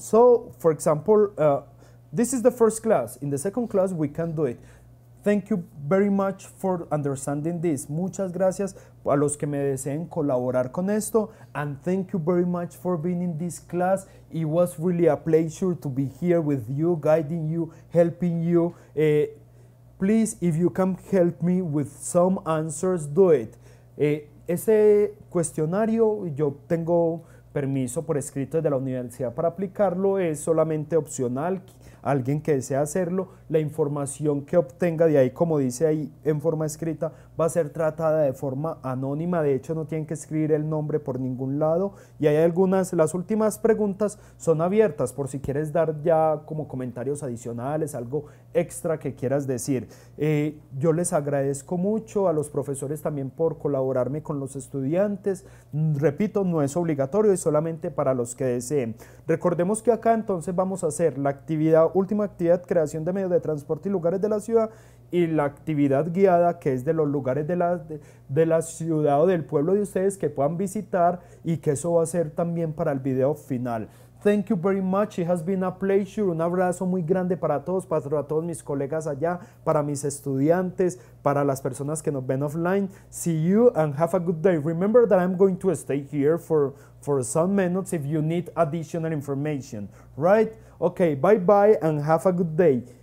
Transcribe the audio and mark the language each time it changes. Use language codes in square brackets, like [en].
[en] So, for example, this is the first class. In the second class, we can do it. Thank you very much for understanding this. [es] Muchas gracias a los que me deseen colaborar con esto. [en] And thank you very much for being in this class. It was really a pleasure to be here with you, guiding you, helping you. Please, if you can help me with some answers, do it. [es] Ese cuestionario, yo tengo... permiso por escrito desde la universidad para aplicarlo, es solamente opcional, alguien que desea hacerlo, la información que obtenga de ahí, como dice ahí en forma escrita, va a ser tratada de forma anónima, de hecho no tienen que escribir el nombre por ningún lado, y hay algunas, las últimas preguntas son abiertas, por si quieres dar ya como comentarios adicionales, algo extra que quieras decir. Yo les agradezco mucho a los profesores también por colaborarme con los estudiantes. Repito, no es obligatorio, es solamente para los que deseen. Recordemos que acá entonces vamos a hacer la actividad última actividad, creación de medios de transporte y lugares de la ciudad, y la actividad guiada, que es de los lugares de la ciudad o del pueblo de ustedes que puedan visitar, y que eso va a ser también para el video final. [en] Thank you very much, it has been a pleasure. [es] Un abrazo muy grande para todos mis colegas allá, para mis estudiantes, para las personas que nos ven offline. [en] See you and have a good day. Remember that I'm going to stay here for some minutes if you need additional information, right? Okay, bye-bye and have a good day.